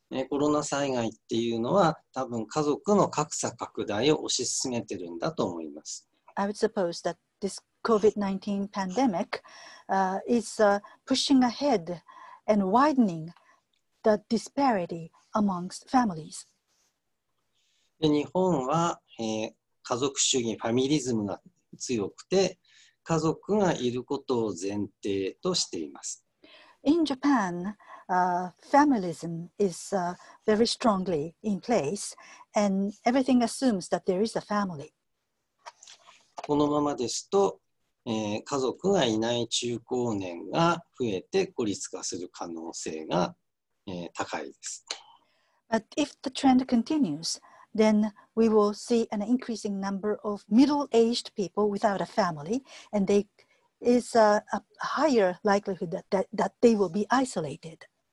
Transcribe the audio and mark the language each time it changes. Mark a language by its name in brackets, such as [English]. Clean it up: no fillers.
[Japanese] コロナ災害っていうのは多分家族の格差拡大を推し進めてるんだと思います。 [English] I would suppose that this COVID-19 pandemic, is, pushing ahead. And widening the disparity amongst families. [Japanese] で日本は、家族主義、ファミリズムが強くて、家族がいることを前提としています。 [English] In Japan, familism is, very strongly in place, and everything assumes that there is a family. [Japanese] このままですと、家族がいない中高年が増えて孤立化する可能性が、高いです。 [English] But if the trend continues, then we will see an increasing number of middle-aged people without a family, and there is a higher likelihood that they will be isolated.